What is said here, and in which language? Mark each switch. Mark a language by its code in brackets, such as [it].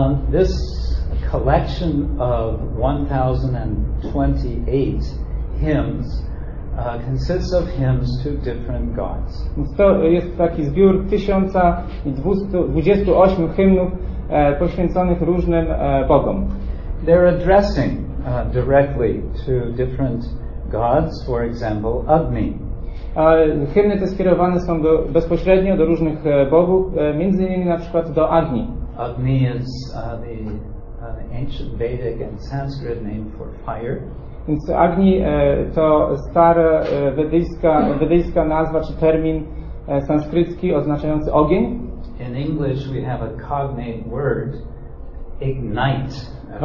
[en] This collection of 1028 hymns consists of hymns to different gods. [pl] To jest taki zbiór 1028 hymnów poświęconych różnym bogom. [en] they're addressing directly to different gods, for example, Agni. [pl] Hymny te skierowane są bezpośrednio do różnych bogów, między innymi na przykład do Agni. [en] Agni is the ancient Vedic and Sanskrit name for fire. [pl] Więc Agni to stara wedyjska nazwa czy termin sanskrycki oznaczający ogień. [en] In English we have a cognate word, ignite.